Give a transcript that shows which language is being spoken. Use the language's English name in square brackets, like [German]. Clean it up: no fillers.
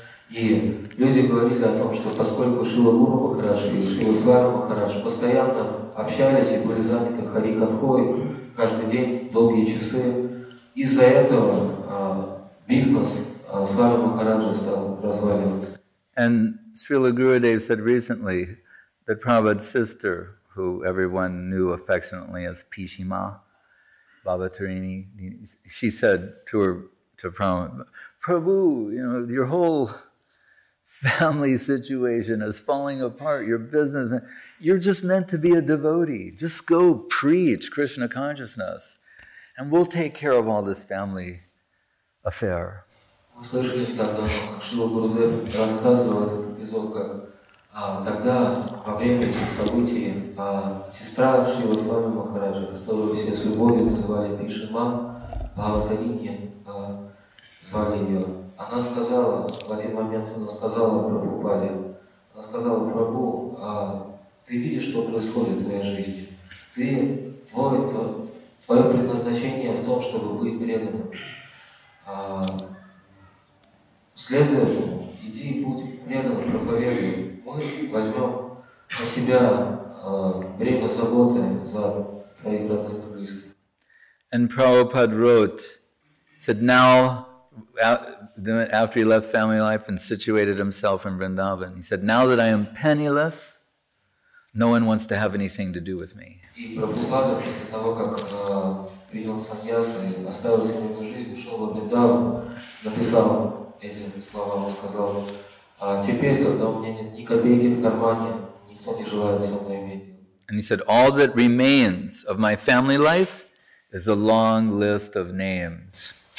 [Russian] И люди говорили о том, что поскольку Шрила Гуру Махарадж и Шрила Свар Махарадж постоянно общались и были заняты харикатхой каждый день, долгие часы, из-за этого бизнес Свар Махараджа стал разваливаться. [English] And Srila Gurudev said recently that Prabhupada's sister, who everyone knew affectionately as Pishima, Bhavatarini, she said to her, to Prabhupada, Prabhu, you know, your whole family situation is falling apart, your business, you're just meant to be a devotee. Just go preach Krishna consciousness and we'll take care of all this family affair. [Russian] Мы слышали, когда Шрила Гурудев рассказывал этот эпизод, как тогда, во время этих событий, сестра Шрила Свами Махараджа, которую все с любовью называли Пишима, Бхаватарини, звали ее, она сказала, в один момент она сказала Прабхупаде, она сказала, Прабху, ты видишь, что происходит в твоей жизни, ты, твой, твое предназначение в том, чтобы быть преданным. Следуй этому, иди и будь преданным проповедуем. Мы возьмем на себя время заботы за твоих родных и близких. [English] And Prabhupada wrote, said now, after he left family life and situated himself in Vrindavan, he said, now that I am penniless, no one wants to have anything to do with me. [Russian] И Прабхупада, после того, как принял саньяса и оставил семейную жизнь, ушел в Вриндаван, написал, эти слова он сказал, теперь, когда у меня нет ни копейки в кармане, никто [English] And he said, all that remains of my family life is a long list of names.